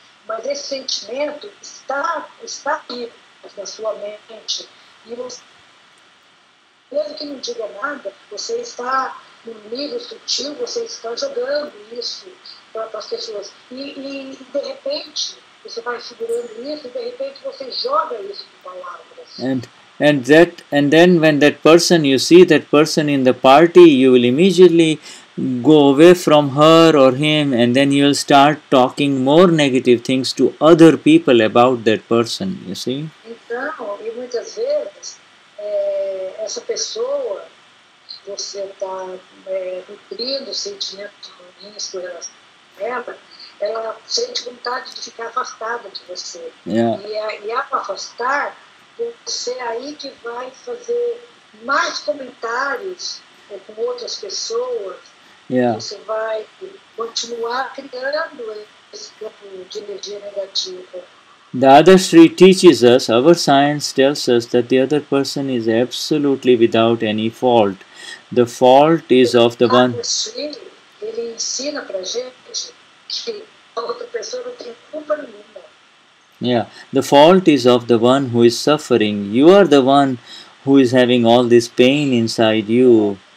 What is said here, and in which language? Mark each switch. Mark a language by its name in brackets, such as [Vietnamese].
[Portuguese] Mas esse sentimento está aqui na sua mente. E você, mesmo que não diga nada, você está no nível sutil, você está jogando isso para as pessoas. E de repente, você vai segurando isso e de repente você joga isso com palavras. [English] And then when that person, you see that person in the party, you will immediately go away from her or him, and then you will start talking more negative things to other people about that person, you see. [Portuguese] Então, e muitas vezes, essa pessoa, você está nutrindo sentimentos ruins com ela sente vontade de ficar afastada de você. [English] Yeah. [Portuguese] E ao afastar, você aí que vai fazer mais comentários com outras pessoas. [English] Yeah. [Portuguese] Você vai continuar criando esse campo de energia negativa. [English] The other street teaches us, our science tells us that the other person is absolutely without any fault. The fault is of the one. [Portuguese] Ele ensina pra gente que a outra pessoa não tem culpa nenhuma. [English] Yeah, the fault is of the one who is suffering. You are the one who is having all this pain inside you.